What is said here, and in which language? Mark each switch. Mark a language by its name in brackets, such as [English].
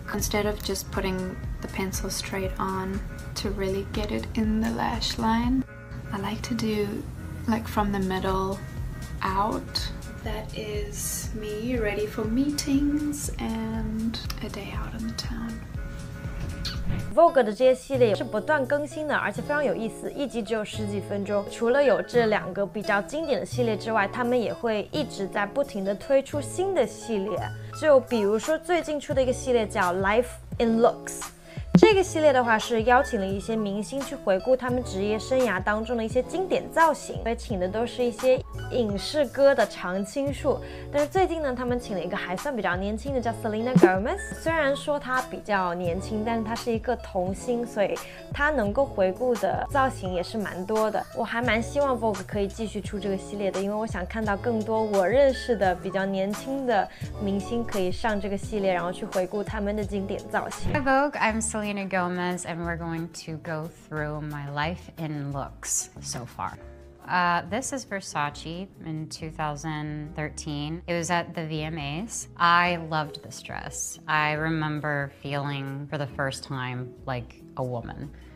[English] Instead of just putting the pencil straight on to really get it in the lash line, I like to do like from the middle out. That is me ready for meetings and a day out in the town. [Chinese] Vogue 的这些系列是不断更新的，而且非常有意思，一集只有10几分钟。除了有这两个比较经典的系列之外，他们也会一直在不停地推出新的系列。就比如说最近出的一个系列叫 Life in Looks。这个系列的话是邀请了一些明星去回顾他们职业生涯当中的一些经典造型，所以请的都是一些影视歌的常青树。但是最近呢，他们请了一个还算比较年轻的，叫 Selena Gomez。虽然说她比较年轻，但是她是一个童星，所以她能够回顾的造型也是蛮多的。我还蛮希望 Vogue 可以继续出这个系列的，因为我想看到更多我认识的比较年轻的明星可以上这个系列，然后去回顾他们的经典造型。 [English] Hi Vogue, I'm Selena Gomez and we're going to go through my life in looks so far. This is Versace in 2013. It was at the VMAs. I loved this dress. I remember feeling for the first time like a woman.